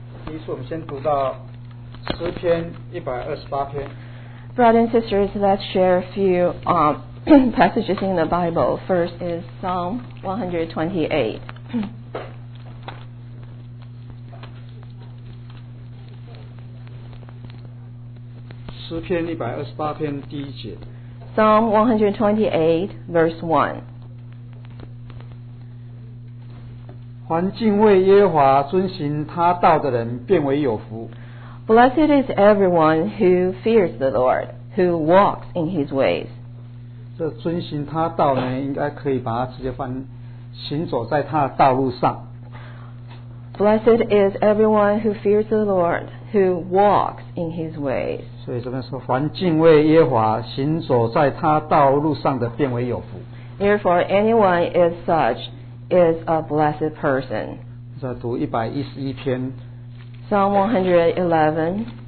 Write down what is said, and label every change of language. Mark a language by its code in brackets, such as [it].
[zh] 第一处，我们先读到诗篇128篇。 [en] Brothers and sisters, let's share a few passages in the Bible. First is Psalm 128. [zh] 诗篇128篇第一节。 [en] Psalm 128:1. [zh] 凡敬畏耶和华、遵行他道的人，变为有福。 [en] Blessed is everyone who fears the Lord, who walks in His ways. [zh] 这遵行他道呢，应该可以把它直接翻，行走在他的道路上。 [en] Blessed is everyone who fears the Lord, who walks in His ways. [zh] 所以这边说，凡敬畏耶和华、行走在他道路上的，变为有福。 [en] Therefore, anyone is such is a blessed person. [zh] 再读111篇。 [en] Psalm 111.